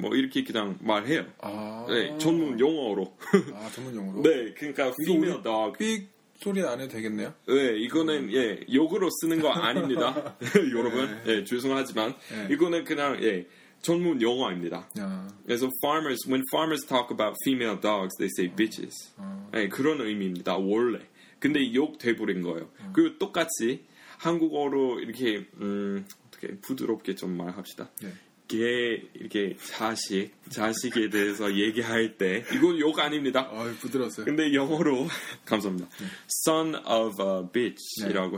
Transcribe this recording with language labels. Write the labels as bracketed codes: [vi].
[ko] 뭐 이렇게 그냥 말해요. 아, 네, 전문 용어로. 아 전문 용어로? 네, 그러니까 [en] female dog. [ko] 삑 소리 안 해도 되겠네요? 네, 이거는 예 욕으로 쓰는 거 아닙니다, 여러분. 예, 네, 죄송하지만 네. 이거는 그냥 예 전문 용어입니다. 아. [en] So farmers when farmers talk about female dogs, they say bitches. [ko] 아. 네, 그런 의미입니다. 원래. 근데 욕 돼버린 거예요. 그리고 똑같이 한국어로 이렇게 어떻게 부드럽게 좀 말합시다. 개 네. 이렇게 자식에 대해서 얘기할 때 이건 욕 아닙니다. 아, 부드러웠어요. 근데 영어로 감사합니다. 네. [en] Son of a bitch이라고